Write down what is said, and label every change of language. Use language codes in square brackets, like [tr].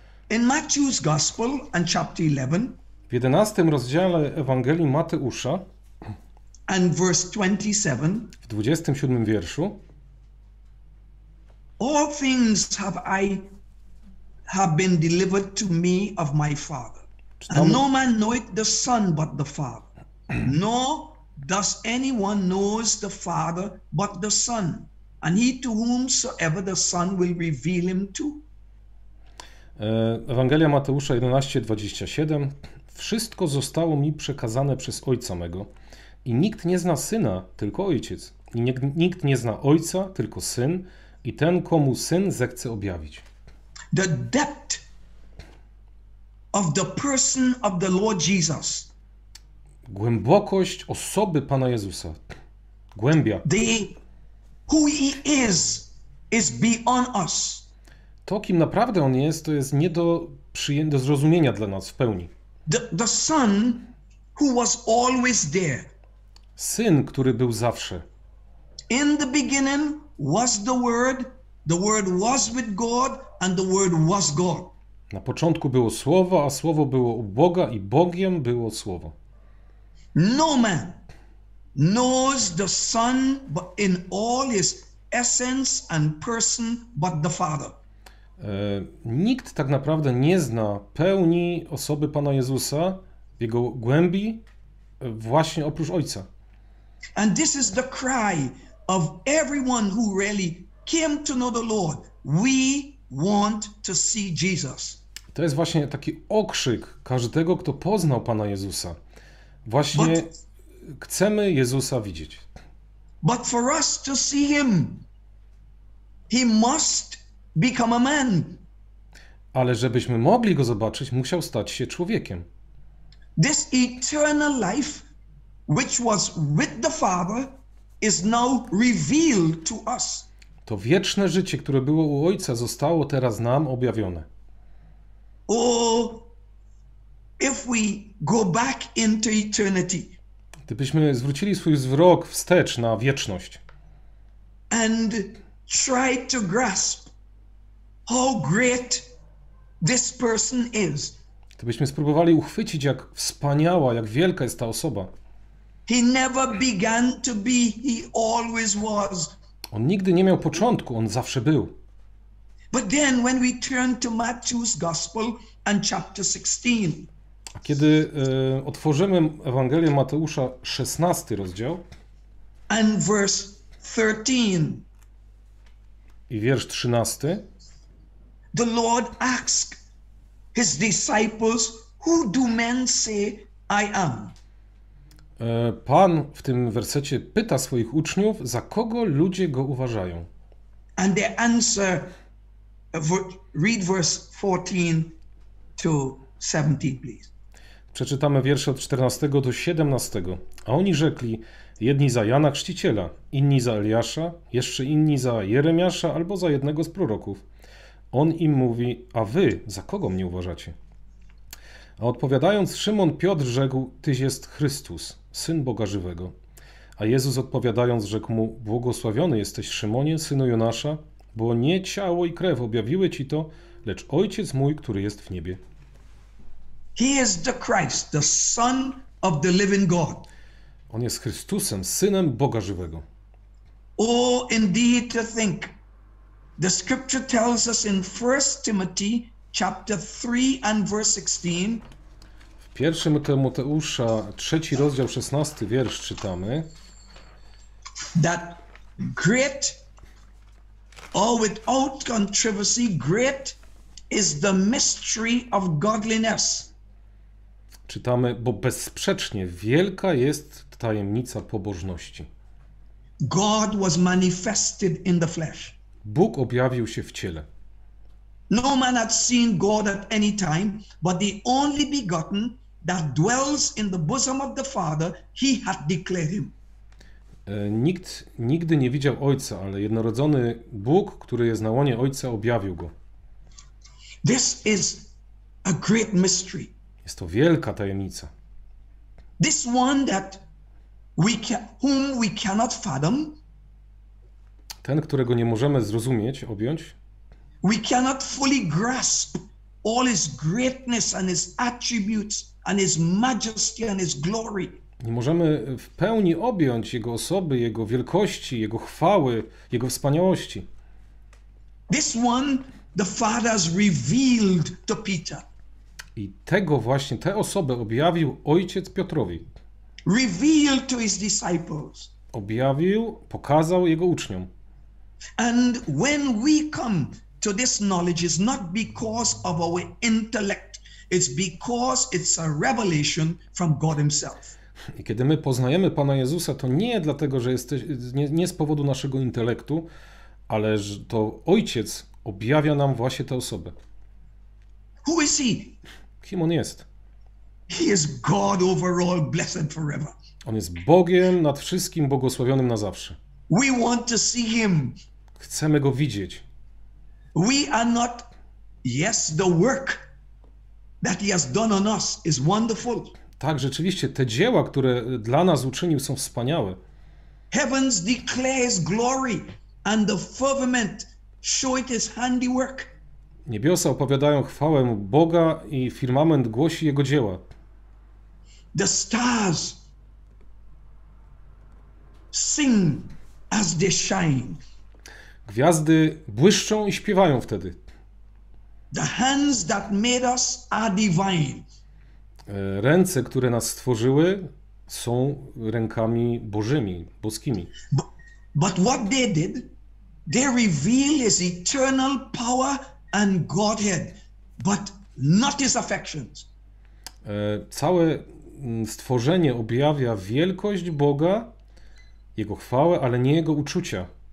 [en] In Matthew's Gospel and chapter 11, [pl] w 11 rozdziale Ewangelii Mateusza [en] and verse 27, [pl] w 27 wierszu, [en] all things have been delivered to me of my Father. And no man knoweth the Son but the Father. Nor does anyone knows the Father but the Son. And he to whomsoever the Son will reveal him to. [pl] Ewangelia Mateusza 11:27. Wszystko zostało mi przekazane przez Ojca mego. I nikt nie zna Syna, tylko Ojciec. I nikt nie zna Ojca, tylko Syn. I ten, komu Syn zechce objawić. [en] The depth of the person of the Lord Jesus. [pl] Głębokość osoby Pana Jezusa. Głębia. [en] Who he is beyond us. [pl] To, kim naprawdę on jest, to jest nie do do zrozumienia dla nas w pełni. [en] The Son who was always there. [pl] Syn, który był zawsze. [en] In the beginning was the Word was with God, and the Word was God. [pl] Na początku było Słowo, a Słowo było u Boga i Bogiem było Słowo. [en] No man knows the Son but in all his essence and person but the Father. [pl] Nikt tak naprawdę nie zna pełni osoby Pana Jezusa w jego głębi właśnie oprócz Ojca. [en] And this is the cry of everyone who really came to know the Lord. We want to see Jesus. [pl] To jest właśnie taki okrzyk każdego, kto poznał Pana Jezusa. Właśnie chcemy Jezusa widzieć. [en] But for us to see him, he must become a man. [pl] Ale żebyśmy mogli go zobaczyć, musiał stać się człowiekiem. [en] This eternal life, which was with the Father, is now revealed to us. [pl] To wieczne życie, które było u Ojca, zostało teraz nam objawione. [en] Oh, if we go back into eternity. [pl] Gdybyśmy zwrócili swój wzrok wstecz na wieczność. [en] And try to grasp how great this person is. [pl] Gdybyśmy spróbowali uchwycić, jak wspaniała, jak wielka jest ta osoba. [en] He never began to be, he always was. [pl] On nigdy nie miał początku, on zawsze był. [en] But then when we turn to Matthew's Gospel and chapter 16. [pl] A kiedy otworzymy Ewangelię Mateusza 16 rozdział. [en] And verse 13. [pl] I wiersz 13. [en] The Lord asked his disciples, who do men say I am? [pl] Pan w tym wersecie pyta swoich uczniów, za kogo ludzie go uważają. [en] And they answer, read verse 14 to 17, please. [pl] Przeczytamy wiersze od 14 do 17. A oni rzekli, jedni za Jana Chrzciciela, inni za Eliasza, jeszcze inni za Jeremiasza albo za jednego z proroków. On im mówi, a wy za kogo mnie uważacie? A odpowiadając, Szymon Piotr rzekł, tyś jest Chrystus, Syn Boga Żywego. A Jezus odpowiadając, rzekł mu, błogosławiony jesteś Szymonie, synu Jonasza, bo nie ciało i krew objawiły ci to, lecz Ojciec mój, który jest w niebie. [en] He is the Christ, the Son of the living God. [pl] On jest Chrystusem, Synem Boga Żywego. [en] Oh, indeed to think. The scripture tells us in 1 Timothy chapter 3 and verse 16. [pl] W 1 Tymoteusza, 3 rozdział, 16 wiersz czytamy. [en] That great or without controversy, great is the mystery of godliness. [pl] Czytamy, bo bezsprzecznie wielka jest tajemnica pobożności. [en] God was manifested in the flesh. [pl] Bóg objawił się w ciele. [en] No man had seen God at any time, but the only begotten that dwells in the bosom of the Father, he had declared him. [pl] Nikt nigdy nie widział Ojca, ale jednorodzony Bóg, który jest na łonie Ojca, objawił go. [en] This is a great mystery. [pl] Jest to wielka tajemnica. [en] This one that we whom we cannot fathom. [pl] Ten, którego nie możemy zrozumieć, objąć. [en] We cannot fully grasp all his greatness and his attributes and his majesty and his glory. [pl] Nie możemy w pełni objąć jego osoby, jego wielkości, jego chwały, jego wspaniałości. [en] This one the Father has revealed to Peter. [pl] I tego właśnie, tę osobę objawił ojciec Piotrowi. [en] Revealed to his disciples. [pl] Objawił, pokazał jego uczniom. [en] And when we come to this knowledge, it's not because of our intellect, it's because it's a revelation from God himself. [pl] I kiedy my poznajemy Pana Jezusa, to nie dlatego, że jesteś, nie z powodu naszego intelektu, ale że to Ojciec objawia nam właśnie tę osobę. [en] Who is he? [pl] Kim on jest? [en] He is God over all, blessed forever. [pl] On jest Bogiem nad wszystkim, błogosławionym na zawsze. [en] We want to see him. [pl] Chcemy go widzieć. [en] We are not, yes, the work that he has done on us is wonderful. [pl] Tak, rzeczywiście, te dzieła, które dla nas uczynił, są wspaniałe. [en] Heavens declare his glory and the firmament show it his handiwork. [pl] Niebiosa opowiadają chwałę Boga i firmament głosi jego dzieła. [en] The stars sing as they shine. [pl] Gwiazdy błyszczą i śpiewają wtedy. [en] The hands that made us are divine. [pl] Ręce, które nas stworzyły, są rękami bożymi, boskimi. [en] But what they did, they reveal his eternal power and Godhead, but not his affections. [pl] Całe stworzenie objawia wielkość Boga, jego chwałę, ale nie jego uczucia.